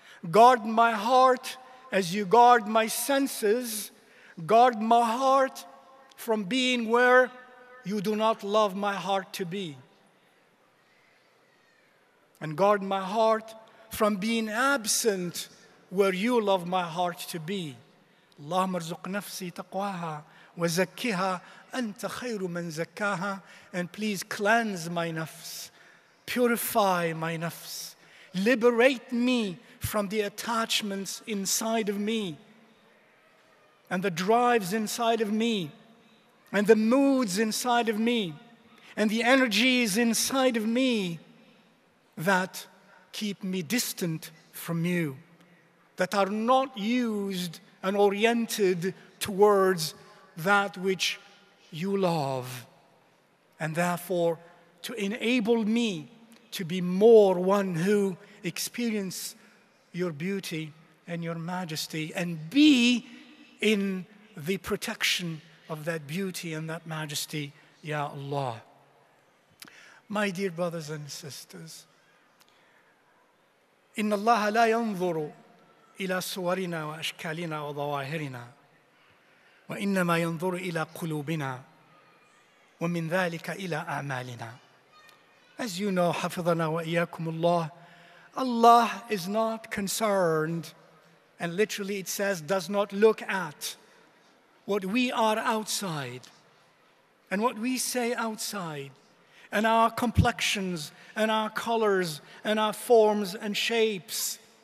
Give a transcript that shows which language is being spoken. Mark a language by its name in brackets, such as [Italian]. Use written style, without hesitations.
[English] Guard my heart as you guard my senses. Guard my heart from being where you do not love my heart to be. And guard my heart from being absent where you love my heart to be. [Arabic] اللهم ارزق نفسي تقواها وزكيها أنت خير من زكاها. [English] And please cleanse my nafs, purify my nafs, liberate me from the attachments inside of me and the drives inside of me and the moods inside of me and the energies inside of me that keep me distant from you, that are not used and oriented towards that which you love, and therefore to enable me to be more one who experience your beauty and your majesty and be in the protection of that beauty and that majesty, Ya Allah. My dear brothers and sisters, [Arabic] إن الله لا ينظر إلى صورنا وأشكالنا وظواهرنا وإنما ينظر إلى قلوبنا ومن ذلك إلى أعمالنا. [English] As you know, [Arabic] حفظنا وإياكم الله, [English] Allah is not concerned, and literally it says, does not look at what we are outside and what we say outside and our complexions and our colors and our forms and shapes.